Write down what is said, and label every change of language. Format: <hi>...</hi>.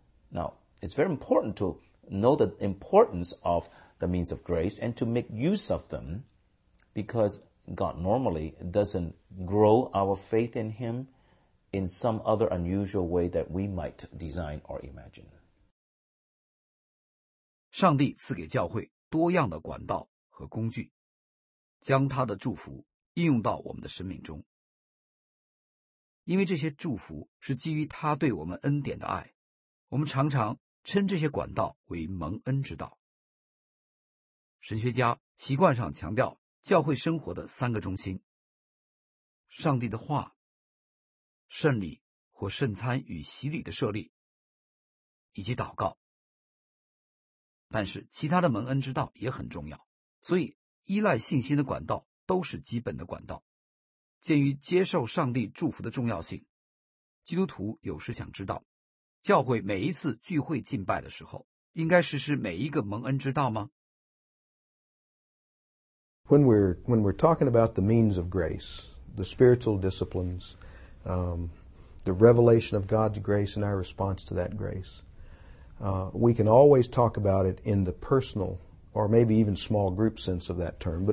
<en>Now, it's very important to know the importance of the means of grace and to make use of them, because God normally doesn't grow our faith in Him in some other unusual way that we might design or imagine.</en> <zh>上帝赐给教会多样的管道和工具，将他的祝福应用到我们的生命中。因为这些祝福是基于他对我们恩典的爱，我们常常称这些管道为蒙恩之道。神学家习惯上强调教会生活的三个中心：上帝的话、圣礼或圣餐与洗礼的设立，以及祷告。但是其他的蒙恩之道也很重要，所以依赖信心的管道都是基本的管道。鉴于接受上帝祝福的重要性，基督徒有时想知道，教会每一次聚会敬拜的时候，应该实施每一个蒙恩之道吗？</zh> <en>When we're talking about the means of grace, the spiritual disciplines, the revelation of God's grace and our response to that grace, we can always talk about it in the personal or maybe even small group sense of that term.</en>